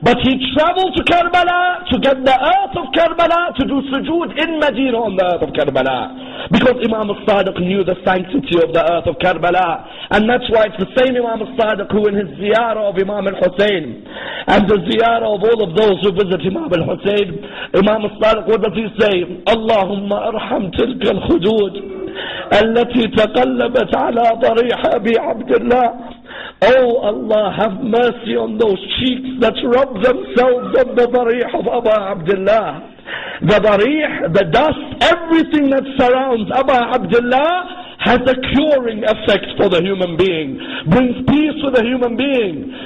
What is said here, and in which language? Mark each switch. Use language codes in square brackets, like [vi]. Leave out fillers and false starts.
[en] But he traveled to Karbala to get the earth of Karbala to do sujood in Medina on the earth of Karbala. Because Imam al-Sadiq knew the sanctity of the earth of Karbala. And that's why it's the same Imam al-Sadiq who in his ziyarah of Imam al-Hussein and the ziyarah of all of those who visit Imam al-Hussein, Imam al-Sadiq, what does he say? [ar] Allahumma arham tilka al-khudud التي تقلبت على ضريح أبي عبد الله. [en] Oh Allah, have mercy on those cheeks that rub themselves on the dharih of Aba Abdullah. The dharih, the dust, everything that surrounds Aba Abdullah has a curing effect for the human being, brings peace to the human being.